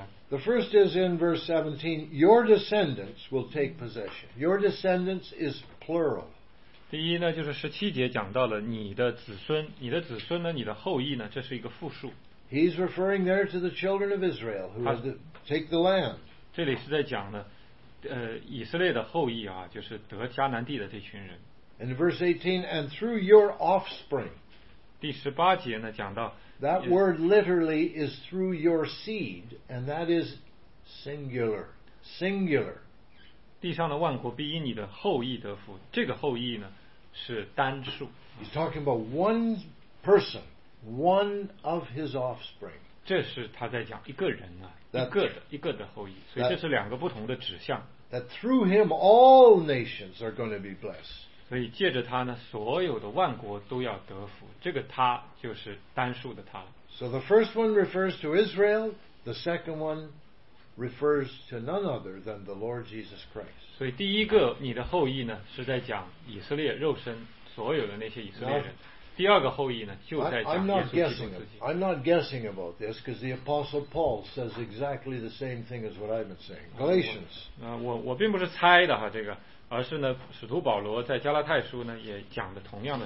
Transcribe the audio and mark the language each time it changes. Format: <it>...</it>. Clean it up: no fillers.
<en>The first is in verse 17, your descendants will take possession. Your descendants is plural.</en> <zh>第一呢，就是十七节讲到了你的子孙，你的子孙呢，你的后裔呢，这是一个复数。</zh> <en>He's referring there to the children of Israel who had to take the land.</en> <zh>这里是在讲呢，以色列的后裔啊，就是得迦南地的这群人。</zh> <en>And verse 18, and through your offspring.</en> <zh>第十八节呢，讲到。</zh> <en>That word literally is through your seed, and that is singular. Singular.</en> <zh>地上的万国必因你的后裔得福。这个后裔呢，是单数。</zh> <en>He's talking about one person, one of his offspring.</en> <zh>这是他在讲一个人啊，一个的后裔。所以这是两个不同的指向。</zh> <en>That through him all nations are going to be blessed.</en> <zh>所以借着他呢，所有的万国都要得福。这个他就是单数的他了。</zh> <en>So the first one refers to Israel, the second one refers to none other than the Lord Jesus Christ.</en> <zh>所以第一个你的后裔呢，是在讲以色列肉身所有的那些以色列人。第二个后裔呢，就在讲耶稣基督自己。</zh> <en>I'm not guessing about this because the Apostle Paul says exactly the same thing as what I've been saying. Galatians.</en> <zh>我并不是猜的哈，这个。而是呢，使徒保罗在加拉太书呢也讲的同样的。</zh>